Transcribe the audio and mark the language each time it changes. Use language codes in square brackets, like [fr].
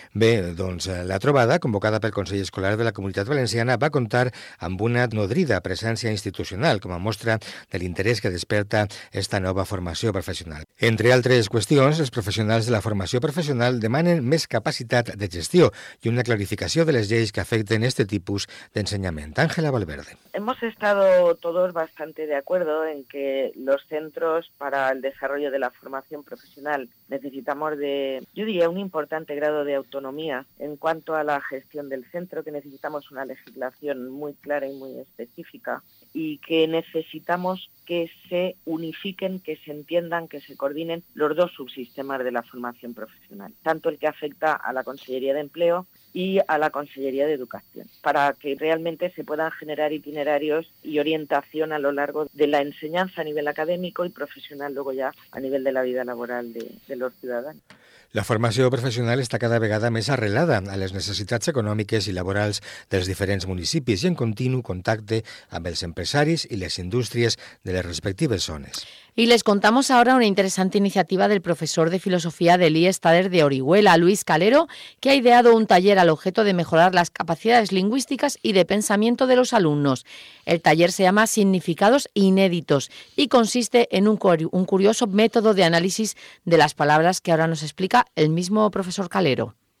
[ca] Bé, doncs la trobada, convocada pel Consell Escolar de la Comunitat Valenciana, va comptar amb una nodrida presència institucional com a mostra de l'interès que desperta esta nova formació professional. Entre altres qüestions, els professionals de la formació professional demanen més capacitat de gestió i una clarificació de les lleis que afecten este tipus d'ensenyament. Ángela Valverde. [es] Hemos estado todos bastante de acuerdo en que los centros para el desarrollo de la formación profesional necesitamos de, yo diría, un importante grado de autonomía en cuanto a la gestión del centro, que necesitamos una legislación muy clara y muy específica, y que necesitamos que se unifiquen, que se entiendan, que se coordinen los dos subsistemas de la formación profesional, tanto el que afecta a la Consellería de Empleo y a la Consellería de Educación, para que realmente se puedan generar itinerarios y orientación a lo largo de la enseñanza a nivel académico y profesional, luego ya a nivel de la vida laboral de los ciudadanos. [ca] La formació professional està cada vegada més arrelada a les necessitats econòmiques i laborals dels diferents municipis i en continu contacte amb els empresaris i les indústries de les respectives zones. [es] Y les contamos ahora una interesante iniciativa del profesor de filosofía del IES Tader de Orihuela, Luis Calero, que ha ideado un taller al objeto de mejorar las capacidades lingüísticas y de pensamiento de los alumnos. El taller se llama Significados Inéditos y consiste en un curioso método de análisis de las palabras que ahora nos explica el mismo profesor Calero.